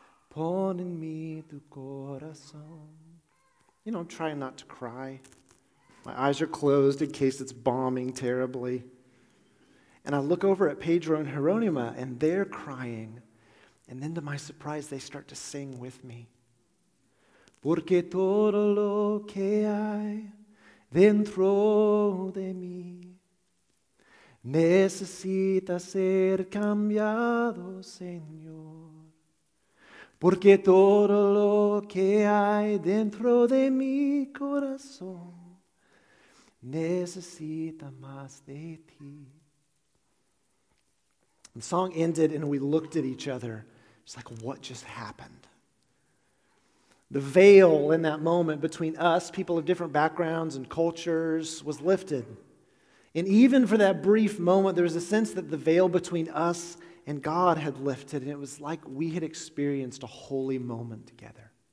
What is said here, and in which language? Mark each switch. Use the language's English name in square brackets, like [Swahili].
[Spanish] Pon en mí tu corazón. [English] You know, I'm trying not to cry. My eyes are closed in case it's bombing terribly. And I look over at Pedro and Jeronima, and they're crying. And then to my surprise, they start to sing with me. [Spanish] Porque todo lo que hay dentro de mí necesita ser cambiado, Señor. Porque todo lo que hay dentro de mi corazón necesita más de ti. [English] The song ended and we looked at each other. It's like, what just happened? The veil in that moment between us, people of different backgrounds and cultures, was lifted. And even for that brief moment, there was a sense that the veil between us and God had lifted, and it was like we had experienced a holy moment together.